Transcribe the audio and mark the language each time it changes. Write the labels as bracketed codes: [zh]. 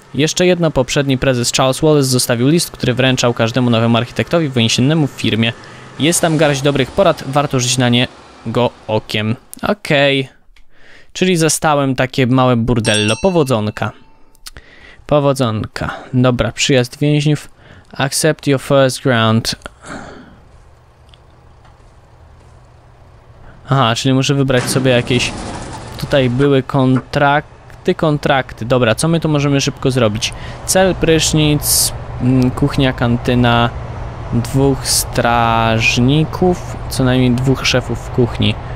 [pl] Jeszcze jedno, poprzedni prezes Charles Wallace zostawił list, który wręczał każdemu nowemu architektowi wyniesionemu w firmie. Jest tam garść dobrych porad, warto rzucić na niego okiem. Okej. Czyli zastałem takie małe burdello. Powodzonka. Dobra, przyjazd więźniów. [en] Accept your first grant. [pl] Aha, czyli muszę wybrać sobie jakieś... Tutaj były kontrakty. Dobra, co my tu możemy szybko zrobić? Cel, prysznic, kuchnia, kantyna, dwóch strażników, co najmniej dwóch szefów w kuchni.